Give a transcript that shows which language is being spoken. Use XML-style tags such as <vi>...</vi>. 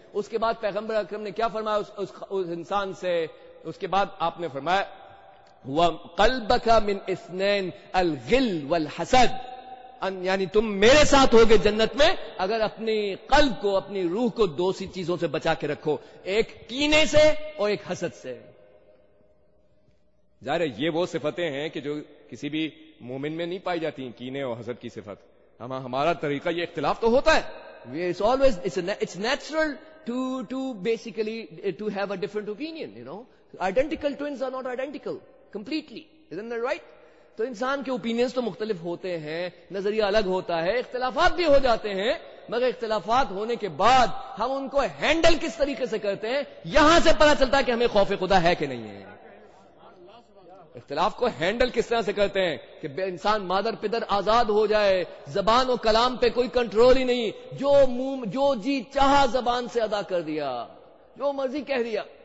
<ur>اس کے بعد پیغمبر اکرم نے کیا فرمایا اس انسان سے, اس کے بعد آپ نے فرمایا</ur> <ar>وَقَلْبَكَ مِنْ اثنین الغل والحسد,</ar> <ur>یعنی تم میرے ساتھ ہوگے جنت میں اگر اپنی قلب کو اپنی روح کو دو سی چیزوں سے بچا کے رکھو, ایک کینے سے اور ایک حسد سے. ظاہر ہے یہ وہ صفتیں ہیں کہ جو کسی بھی مومن میں نہیں پائی جاتی ہیں, کینے اور حسد کی صفت. ہمارا طریقہ یہ اختلاف تو ہوتا ہے,</ur> <en>it's always it's natural to basically to have a different opinion, you know, identical twins are not identical completely, isn't that right?</en> <ur>تو انسان کے اوپینینز تو مختلف ہوتے ہیں, نظریہ الگ ہوتا ہے, اختلافات بھی ہو جاتے ہیں, مگر اختلافات ہونے کے بعد ہم ان کو ہینڈل کس طریقے سے کرتے ہیں یہاں سے پتا چلتا ہے کہ ہمیں خوف خدا ہے کہ نہیں ہے. اختلاف کو ہینڈل کس طرح سے کرتے ہیں کہ انسان مادر پدر آزاد ہو جائے, زبان و کلام پہ کوئی کنٹرول ہی نہیں, جو منہ جو جی چاہا زبان سے ادا کر دیا, جو مرضی کہہ دیا.</ur>